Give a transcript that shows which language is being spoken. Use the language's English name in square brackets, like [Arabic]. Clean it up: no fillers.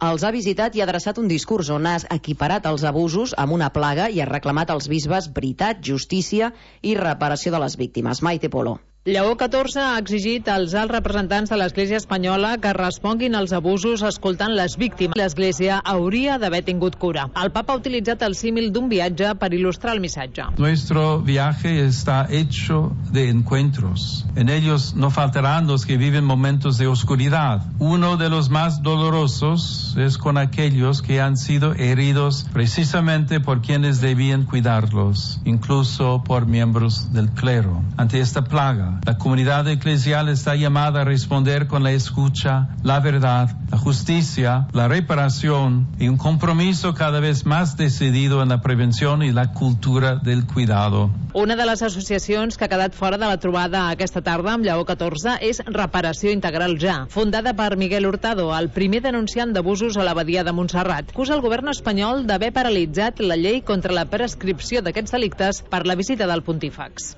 [Catalan] Els ha visitat i ha adreçat un discurs on ha equiparat els abusos amb una plaga i ha reclamat als bisbes veritat, justícia i reparació de les víctimes. Maite Polo. Lleó XIV ha exigit als alts representants de l'Església espanyola que responguin als abusos escoltant les víctimes. L'Església hauria d'haver tingut cura. El Papa ha utilitzat el símil d'un viatge per il·lustrar el missatge. [Spanish] Nuestro viaje está hecho de encuentros. En ellos no faltarán los que viven momentos de oscuridad. Uno de los más dolorosos es con aquellos que han sido heridos precisamente por quienes debían cuidarlos, incluso por miembros del clero. Ante esta plaga, la comunidad eclesial está llamada a responder con la escucha, la verdad, la justicia, la reparación y un compromiso cada vez más decidido en la prevención y la cultura del cuidado. [Catalan] Una de les associacions que ha quedat fora de la trobada aquesta tarda amb Lleó XIV és Reparació Integral Ja, fundada per Miguel Hurtado, el primer denunciant d'abusos a l'abadia de Montserrat. Acusa el govern espanyol d'haver paralitzat la llei contra la prescripció d'aquests delictes per la visita del pontífex.